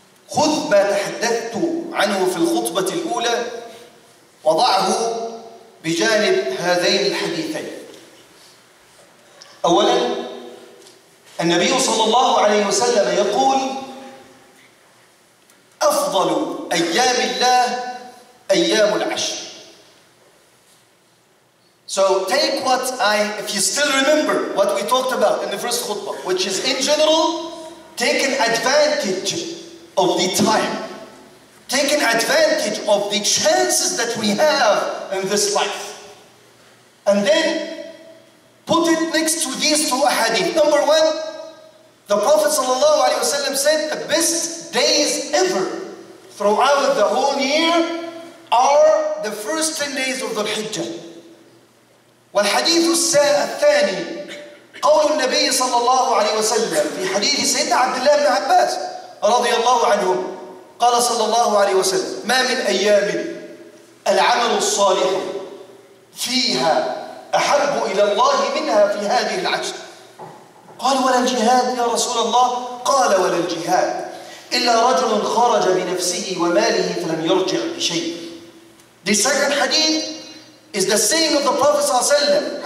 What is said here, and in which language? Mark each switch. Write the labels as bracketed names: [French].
[Arabic] خذ ما تحدثت عنه في الخطبة الأولى وضعه بجانب هذين الحديثين أولاً النبي صلى الله عليه وسلم يقول أفضل أيام الله أيام العشر. [English] So take what I, if you still remember what we talked about in the first khutbah, which is in general, taking advantage of the time, taking advantage of the chances that we have in this life. And then put it next to these two ahadith. Number one, the Prophet sallallahu alaihi wasallam said, the best days ever throughout the whole year are the first 10 days of the Hijjah. [Arabic] والحديث الثاني قول النبي صلى الله عليه وسلم في حديث سيدنا عبد الله بن عباس رضي الله عنه قال صلى الله عليه وسلم: ما من أيام العمل الصالح فيها أحب إلى الله منها في هذه العشر. قال: ولا الجهاد يا رسول الله؟ قال: ولا الجهاد إلا رجل خرج بنفسه وماله فلم يرجع بشيء. [English] The second hadith is the saying of the Prophet ﷺ.